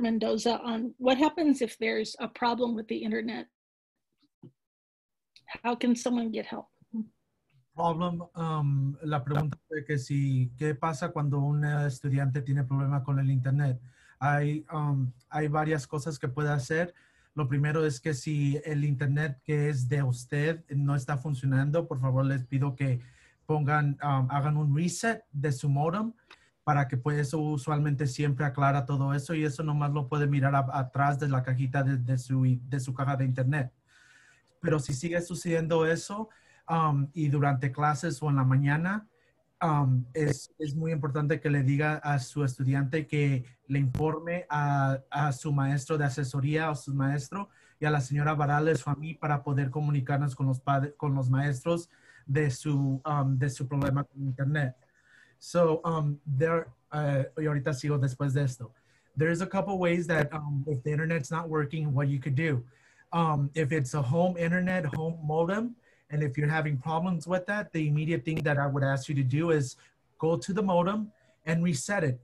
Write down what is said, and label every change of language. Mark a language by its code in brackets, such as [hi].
[en] Mendoza on what happens if there's a problem with the internet? How can someone get help? Problem, [es] la pregunta de que si, ¿qué pasa cuando un estudiante tiene problema con el internet? Hay varias cosas que puede hacer. Lo primero es que si el internet que es de usted no está funcionando, por favor les pido que pongan, hagan un reset de su modem para que pues eso usualmente siempre aclara todo eso y eso nomás lo puede mirar atrás de la cajita de su caja de internet. Pero si sigue sucediendo eso y durante clases o en la mañana, es muy importante que le diga a su estudiante que le informe a su maestro de asesoría o su maestro y a la señora Barales o a mí para poder comunicarnos con los maestros de su problema con internet. [en] So there, [es] y ahorita sigo después de esto. [en] There's a couple ways that if the internet's not working, what you could do. If it's a home internet, home modem, and if you're having problems with that, the immediate thing that I would ask you to do is go to the modem and reset it.